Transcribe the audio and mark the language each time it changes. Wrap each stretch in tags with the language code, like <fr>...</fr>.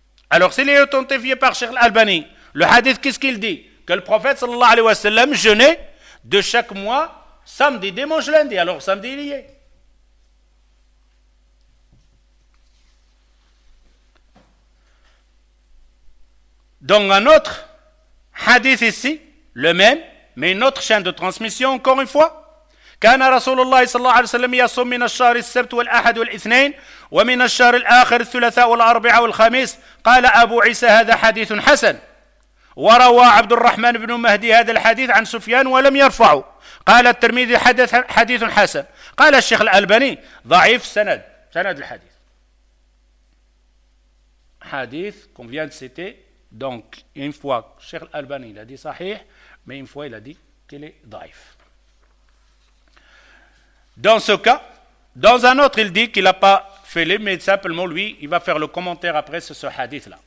<fr>alors s'il est authentifié par الشيخ الألباني le hadith qu'est-ce qu'il dit que le prophète</fr> <ar>صلى الله عليه وسلم</ar> <fr>jeûnait de chaque mois samedi, dimanche, lundi alors samedi il y est Donc un autre hadith ici, le même, mais une autre chaîne de transmission encore une fois.</fr> <ar>كان رسول الله صلى الله عليه وسلم يصوم من الشهر السبت والأحد والاثنين ومن الشهر الآخر الثلاثاء والأربعاء والخميس. قال أبو عيسى هذا حديث حسن. وروى عبد الرحمن بن مهدي هذا الحديث عن سفيان ولم يرفعه. قال الترمذي حديث حسن. قال الشيخ الألباني ضعيف سند الحديث.</ar> <fr>حديث qu'on vient de citer. Donc, une fois, Cheikh Al-Albani a dit sahih, mais une fois, il a dit qu'il est daif. Dans ce cas, dans un autre, il dit qu'il n'a pas fait les mais simplement lui, il va faire le commentaire après ce hadith-là.</fr>